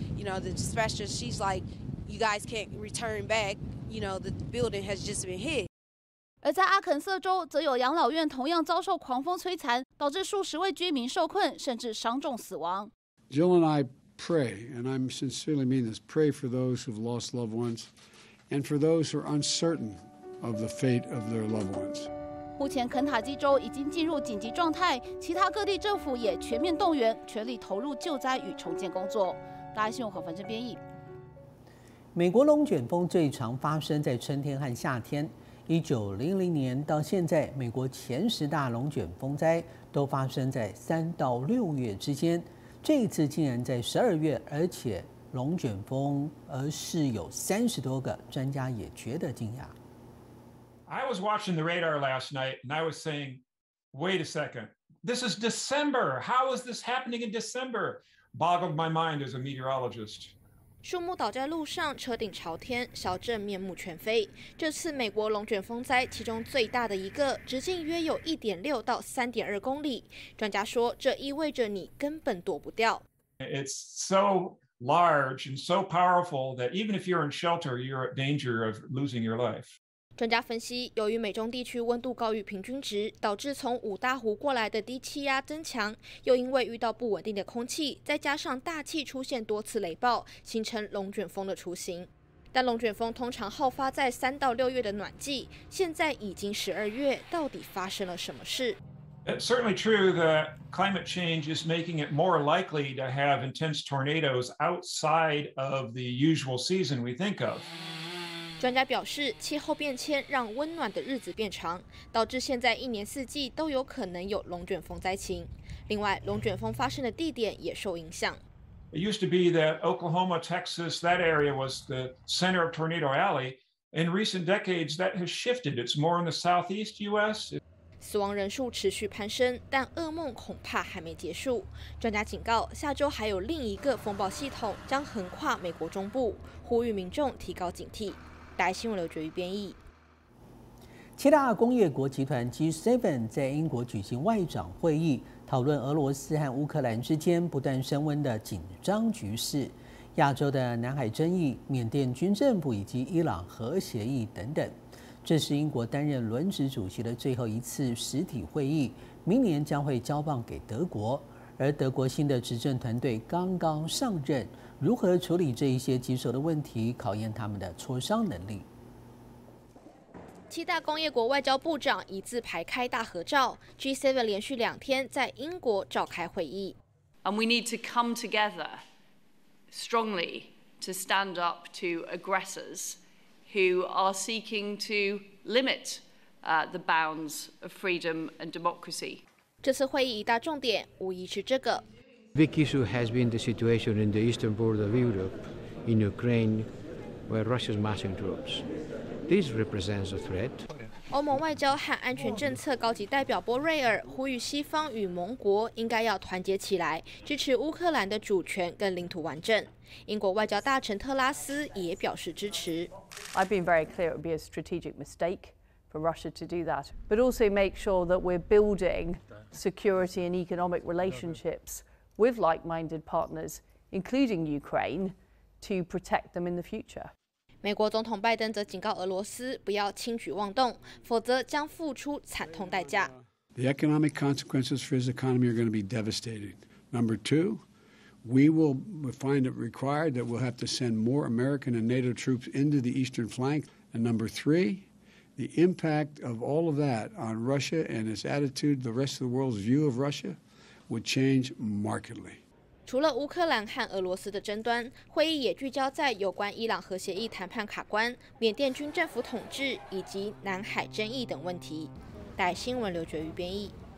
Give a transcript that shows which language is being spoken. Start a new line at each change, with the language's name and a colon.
English: You know, the dispatcher, she's like, "You guys can't return back. You know, the building has just been hit."
Chinese: 而在阿肯色州，则有养老院同样遭受狂风摧残，导致数十位居民受困，甚至伤重死亡。
English: Jill and I pray, and I'm sincerely mean this, pray for those who've lost loved ones and for those who are uncertain of the fate of their loved ones.
Chinese: 目前肯塔基州已经进入紧急状态，其他各地政府也全面动员，全力投入救灾与重建工作。大家新闻和范正编译。美国龙卷风最常发生在春天和夏天。 1900年到现在，美国前十大龙卷风灾都发生在3到6月之间。这一次竟然在12月，而且龙卷风而是有30多个，专家也觉得惊讶。
English: I was watching the radar last night and I was saying, wait a second, this is December. How is this happening in December? Boggled my mind as a meteorologist.
Chinese: 树木倒在路上，车顶朝天，小镇面目全非。这次美国龙卷风灾其中最大的一个，直径约有1.6到3.2公里。专家说，这意味着你根本躲不掉。
English: It's so large and so powerful that even if you're in shelter, you're at danger of losing your life.
Chinese: 专家分析，由于美中地区温度高于平均值，导致从五大湖过来的低气压增强，又因为遇到不稳定的空气，再加上大气出现多次雷暴，形成龙卷风的雏形。但龙卷风通常好发在3到6月的暖季，现在已经12月，到底发生了什么事？
English: It's certainly true that climate change is making it more likely to have intense tornadoes outside of the usual season we think of.
Chinese: 专家表示，气候变迁让温暖的日子变长，导致现在一年四季都有可能有龙卷风灾情。另外，龙卷风发生的地点也受影响。
English: It used to be that Oklahoma, Texas, that area was the center of Tornado Alley. In recent decades, that has shifted. It's more in the southeast U.S.
Chinese: 死亡人数持续攀升，但噩梦恐怕还没结束。专家警告，下周还有另一个风暴系统将横跨美国中部，呼吁民众提高警惕。台新闻刘觉瑜编译。七大工业国集团 G7 在英国举行外长会议，讨论俄罗斯和乌克兰之间不断升温的紧张局势、亚洲的南海争议、缅甸军政府以及伊朗核协议等等。这是英国担任轮值主席的最后一次实体会议，明年将会交棒给德国。而德国新的执政团队刚刚上任，如何处理这一些棘手的问题，考验他们的磋商能力。七大工业国外交部长一字排开大合照 ，G7 连续2天在英国召开会议。
English: And we need to come together strongly to stand up to aggressors who are seeking to limit the bounds of freedom and democracy.
Chinese: 这次会议一大重点无疑是这个。
English: Big issue has been the situation in the eastern border of Europe, in Ukraine, where Russia's marching troops. This represents a threat.
Chinese: 欧盟外交和安全政策高级代表波瑞尔呼吁西方与盟国应该要团结起来，支持乌克兰的主权跟领土完整。英国外交大臣特拉斯也表示支持。
English: I've been very clear it would be a strategic mistake for Russia to do that, but also make sure that we're building security and economic relationships. With like-minded partners, including Ukraine, to protect them in the future.
Chinese: 美国总统拜登则警告俄罗斯不要轻举妄动，否则将付出惨痛代价。
English: The economic consequences for his economy are going to be devastating. Number two, we will find it required that we'll have to send more American and NATO troops into the eastern flank. And number three, the impact of all of that on Russia and its attitude, the rest of the world's view of Russia. Would change markedly.
Chinese: 除了乌克兰和俄罗斯的争端，会议也聚焦在有关伊朗核协议谈判卡关、缅甸军政府统治以及南海争议等问题。带新闻刘觉瑜编译。